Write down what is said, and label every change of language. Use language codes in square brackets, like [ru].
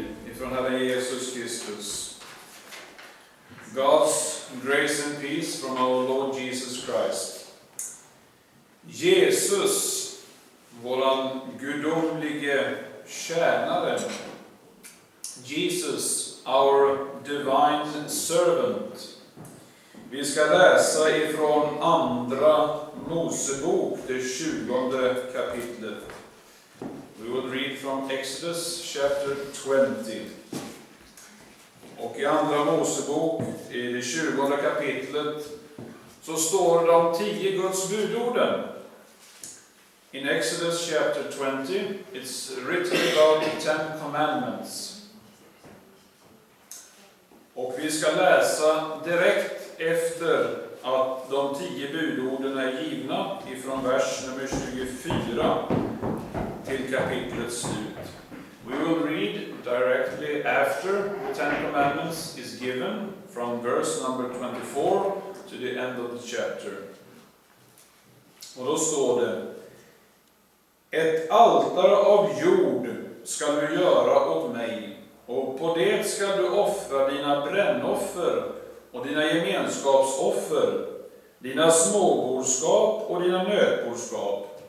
[sv] ifrån Herren Jesus Kristus. [en] God's grace and peace from our Lord Jesus Christ. [sv] Jesus, våran gudomlige tjänare. [en] Jesus, our divine servant. [sv] Vi ska läsa ifrån andra Mosebok, det 20:e kapitlet. [en] We will read from Exodus chapter 20. [sv] Och i andra Mosebok, i det 20:e kapitlet, så står de 10 Guds budorden. [en] In Exodus chapter 20, it's written about the 10 commandments. [sv] Och vi ska läsa direkt efter att de 10 budorden är givna ifrån vers nummer 24 till kapitlets slut. [en] We will read directly after the 10 commandments is given from verse number 24 to the end of the chapter. [sv] Och då står det: ett altare av jord ska du göra åt mig, och på det ska du offra dina brännoffer och dina gemenskapsoffer, dina småborskap och dina nötborskap.